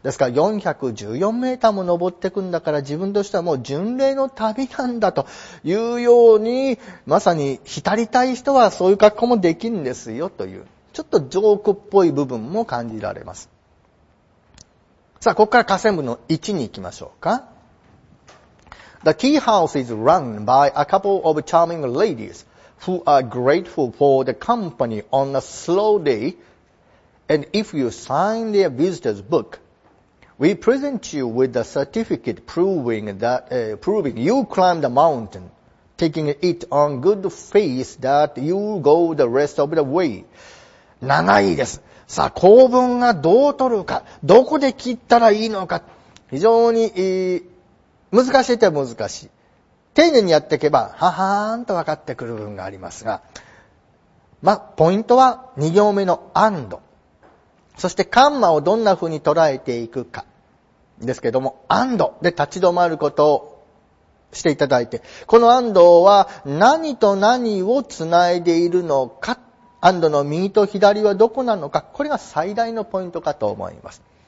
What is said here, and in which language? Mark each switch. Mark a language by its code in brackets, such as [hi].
[ja] ですから414メーターも登っていくんだから、自分としてはもう巡礼の旅なんだというように、まさに浸りたい人はそういう格好もできるんですよという、ちょっとジョークっぽい部分も感じられます。さあ、ここから下線部の1に行きましょうか。 [en] The tea house is run by a couple of charming ladies who are grateful for the company on a slow day, and if you sign their visitor's book, we present you with a certificate proving that, proving you climbed a mountain, taking it on good faith that you go the rest of the way. [ja] 長いです。さあ、構文がどう取るか、どこで切ったらいいのか、非常に、難しいって難しい。丁寧にやっていけば、ははーんと分かってくる部分がありますが、まあ、ポイントは2行目の and、そしてカンマをどんな風に捉えていくか、ですけども、and で立ち止まることをしていただいて、この and は何と何をつないでいるのか、アンドの右と左はどこなのか、これが最大のポイントかと思います。